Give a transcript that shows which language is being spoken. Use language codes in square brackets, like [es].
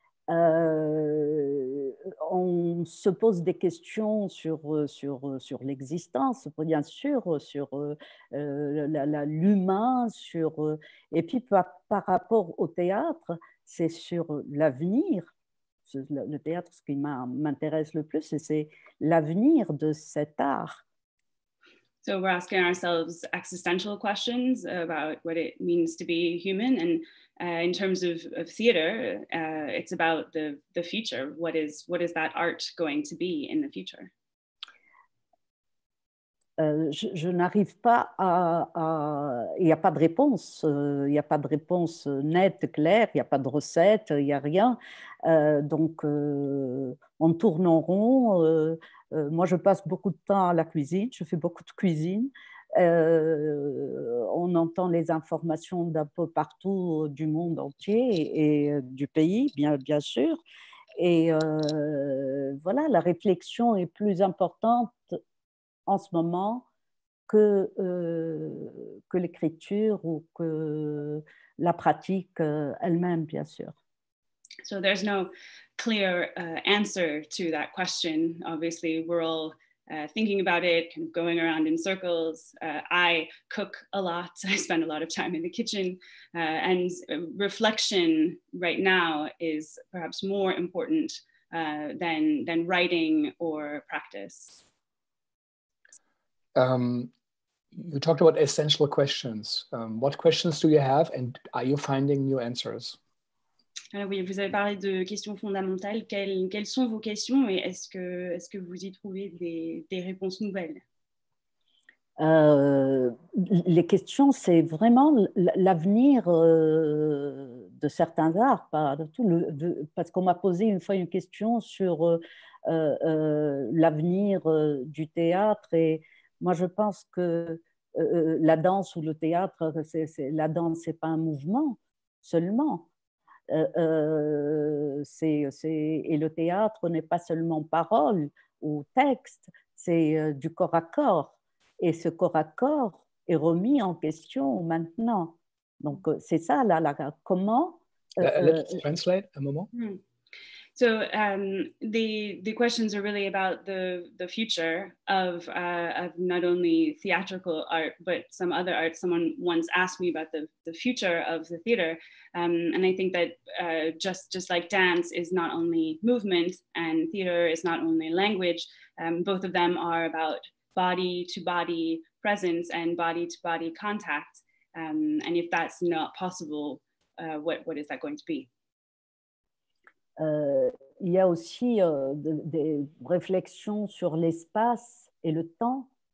[fr] On se pose des questions sur l'existence, bien sûr, sur l'humain, sur et puis par rapport au théâtre, c'est sur l'avenir. Le théâtre, ce qui m'intéresse le plus, c'est l'avenir de cet art. [en] So we're asking ourselves existential questions about what it means to be human, and in terms of theater, it's about the future. What is that art going to be in the future? [fr] Je n'arrive pas à. Il n'y a pas de réponse. Il n'y a pas de réponse nette, claire. Il n'y a pas de recette. Il n'y a rien. Donc, on tourne en rond. Moi, je passe beaucoup de temps à la cuisine. Je fais beaucoup de cuisine. On entend les informations d'un peu partout du monde entier et du pays, bien sûr. Et voilà, la réflexion est plus importante en ce moment que l'écriture ou que la pratique elle-même, bien sûr. [en] So there's no clear answer to that question. Obviously, we're all thinking about it, kind of going around in circles. I cook a lot. I spend a lot of time in the kitchen. And reflection right now is perhaps more important than writing or practice. You talked about essential questions. What questions do you have, and are you finding new answers? [fr] Oui, vous avez parlé de questions fondamentales. Quelles sont vos questions, et est-ce que vous y trouvez des réponses nouvelles? Les questions, c'est vraiment l'avenir de certains arts, pas de tout. Parce qu'on m'a posé une fois une question sur l'avenir du théâtre, et moi, je pense que la danse ou le théâtre, la danse, c'est pas un mouvement seulement. Et le théâtre n'est pas seulement parole ou texte, c'est du corps à corps. Et ce corps à corps est remis en question maintenant. Donc, c'est ça, là comment... [en] Let's translate a moment. Mm. So the questions are really about the future of not only theatrical art, but some other art. Someone once asked me about the future of the theater. And I think that just like dance is not only movement and theater is not only language, both of them are about body to body presence and body to body contact. And if that's not possible, what is that going to be? [fr] Il y a aussi des réflexions sur l'espace et le temps.